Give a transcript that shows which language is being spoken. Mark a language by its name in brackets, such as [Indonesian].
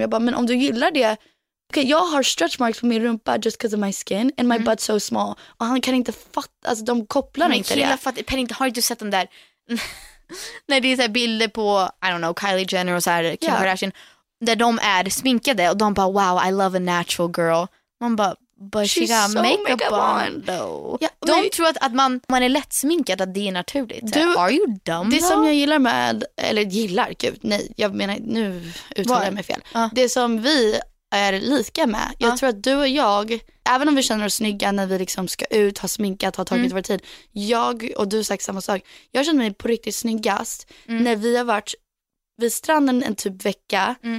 [Swedish] Jag bara, men om du gillar det, okej, jag har stretch marks på min rumpa [English] just because of my skin and my butt's so small. [Swedish] Och han kan inte fatta, alltså de kopplar men inte killa, det. Men har du sett den där, när det är så här bilder på, [English] I don't know, [Swedish] Kylie Jenner och så här, Kim Kardashian, där de är sminkade och de bara, [English] wow, I love a natural girl. [Swedish] Man bara, [English] but she got so makeup on though. [Swedish] Yeah, de tror att man är lätt sminkad, att det är naturligt. Du, [English] are you dumb? [Swedish] Det som jag gillar med, eller gillar, gud, nej, jag menar, nu uttalar jag mig fel. Det som vi är lika med, jag tror att du och jag, även om vi känner oss snygga när vi liksom ska ut, ha sminkat, ha tagit vår tid, jag och du sagt samma sak, jag känner mig på riktigt snyggast när vi har varit vid stranden en typ vecka.